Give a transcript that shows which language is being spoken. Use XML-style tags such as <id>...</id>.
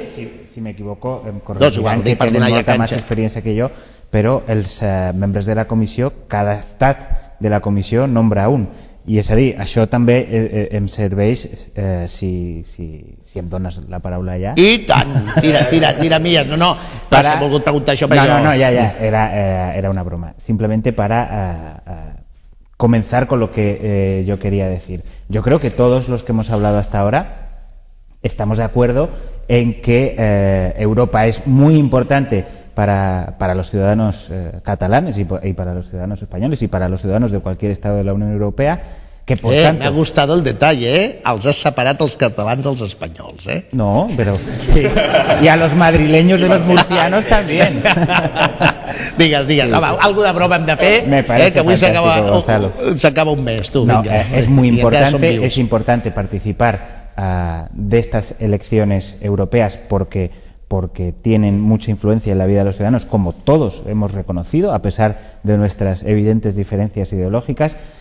<ca>Si m'equivoco, em corregiran, que tenen molta més experiència que jo, però els membres de la comissió, cada estat de la comissió nombra un. I és a dir, això també em serveix si em dones la paraula allà. I tant, tira milles, no, però has volgut preguntar això per jo. No, ja, era una broma.</ca> <es>Simplemente para comenzar con lo que yo quería decir. Yo creo que todos los que hemos hablado hasta ahora estamos de acuerdo en que Europa es muy importante para los ciudadanos catalanes y para los ciudadanos españoles y para los ciudadanos de cualquier estado de la Unión Europea, que por tanto... Me ha gustado el detalle, ¿eh?</es> <ca>Els has separat els catalans dels espanyols, ¿eh?</ca> <es>No, pero... Sí. Y a los madrileños de los murcianos sí. También.</es> <ca>Digues, sí. Home, algo de broma hem de fer, que avui s'acaba un mes, tu, no, vinga.</ca> <es>Es muy importante, es importante participar de estas elecciones europeas porque tienen mucha influencia en la vida de los ciudadanos, como todos hemos reconocido, a pesar de nuestras evidentes diferencias ideológicas.</es>